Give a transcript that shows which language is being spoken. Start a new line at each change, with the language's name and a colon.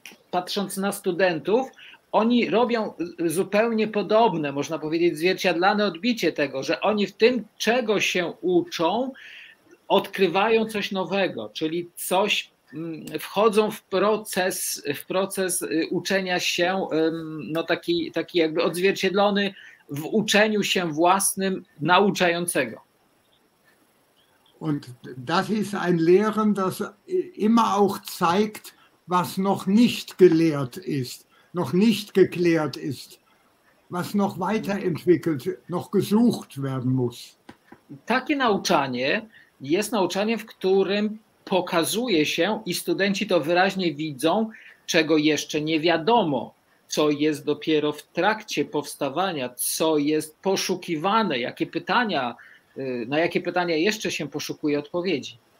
Polish: Patrząc na studentów, oni robią zupełnie podobne, można powiedzieć, zwierciadlane odbicie tego, że oni w tym, czego się uczą, odkrywają coś nowego, czyli coś, wchodzą w proces uczenia się, no taki jakby odzwierciedlony w uczeniu się własnym nauczającego.
German: Und das ist ein Lehren, das immer auch zeigt, was noch nicht gelehrt ist. Noch nicht geklärt ist, was noch weiterentwickelt, noch gesucht werden muss.
Polish: Takie nauczanie jest nauczaniem, w którym pokazuje się i studenci to wyraźnie widzą, czego jeszcze nie wiadomo, co jest dopiero w trakcie powstawania, co jest poszukiwane, jakie pytania, na jakie pytania jeszcze się poszukuje odpowiedzi.